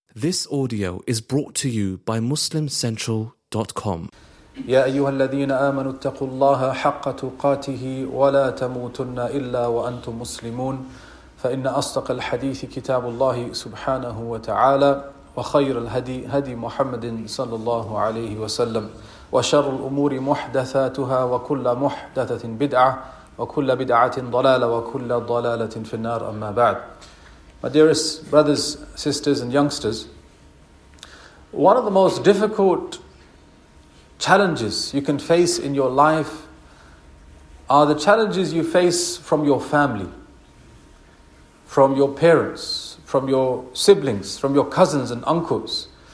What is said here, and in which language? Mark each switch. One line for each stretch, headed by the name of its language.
English: This audio is brought to you by MuslimCentral.com.
Arabic: يا أيها الذين آمنوا اتقوا الله حق تقاته ولا تموتن إلا وأنتم مسلمون فإن أصدق الحديث كتاب الله سبحانه وتعالى وخير الهدي هدي محمد صلى الله عليه وسلم وشر الأمور محدثاتها وكل محدثة بدعة وكل بدعة ضلالة وكل ضلالة في النار أما بعد.
English: My dearest brothers, sisters and youngsters, one of the most difficult challenges you can face in your life are the challenges you face from your family, from your parents, from your siblings, from your cousins and uncles.